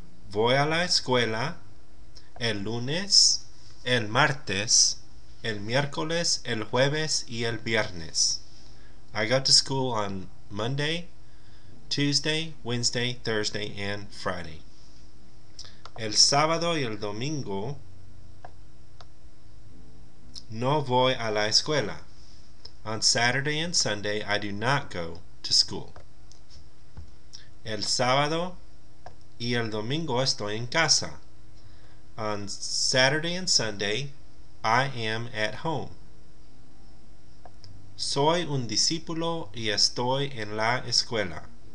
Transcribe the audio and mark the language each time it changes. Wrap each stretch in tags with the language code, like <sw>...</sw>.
<es>Voy a la escuela el lunes, el martes, el miércoles, el jueves y el viernes.</es> <en>I go to school on Monday, Tuesday, Wednesday, Thursday, and Friday.</en> <es>El sábado y el domingo no voy a la escuela.</es> <en>On Saturday and Sunday, I do not go to school.</en> <es>El sábado y el domingo estoy en casa.</es> <en>On Saturday and Sunday, I am at home.</en> <es>Soy un discípulo y estoy en la escuela.</es>